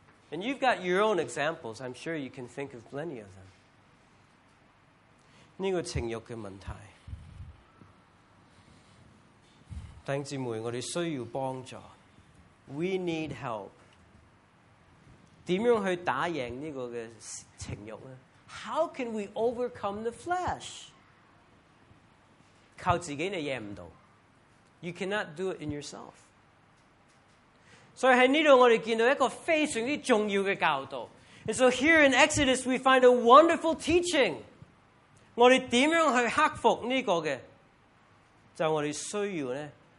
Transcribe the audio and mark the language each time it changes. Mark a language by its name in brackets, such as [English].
[English] and you've got your own examples, I'm sure you can think of plenty of them. [Chinese] 这个情欲的问题, 弟兄姊妹,我们需要帮助. [English] We need help. [Chinese] 怎样去打赢这个情欲呢? [English] How can we overcome the flesh? [Chinese] 靠自己你赢不到. [English] You cannot do it in yourself. [Chinese] 所以在这里我们看到一个非常重要的教导. [English] And so here in Exodus, we find a wonderful teaching. [Chinese] 我们怎样去克服这个的? 就是我们需要呢,